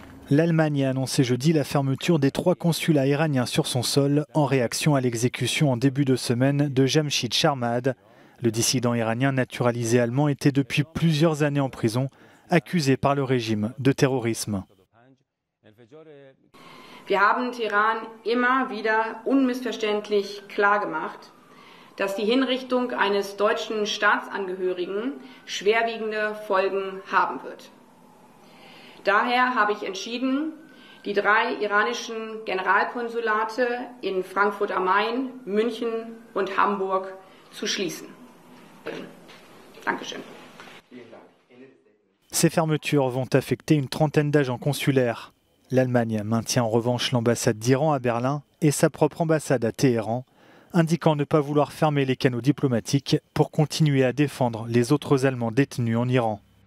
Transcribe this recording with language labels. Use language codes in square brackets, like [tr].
[fr] L'Allemagne a annoncé jeudi la fermeture des 3 consulats iraniens sur son sol en réaction à l'exécution en début de semaine de Jamshid Sharmad. Le dissident iranien naturalisé allemand était depuis plusieurs années en prison, accusé par le régime de terrorisme. [de] Wir haben Teheran immer wieder unmissverständlich klar gemacht, dass die Hinrichtung eines deutschen Staatsangehörigen schwerwiegende Folgen haben wird. Daher habe ich entschieden, die 3 iranischen Generalkonsulate in Frankfurt am Main, München und Hamburg zu schließen. Dankeschön. [fr] Ces fermetures vont affecter une trentaine d'agents consulaires. L'Allemagne maintient en revanche l'ambassade d'Iran à Berlin et sa propre ambassade à Téhéran, indiquant ne pas vouloir fermer les canaux diplomatiques pour continuer à défendre les autres Allemands détenus en Iran.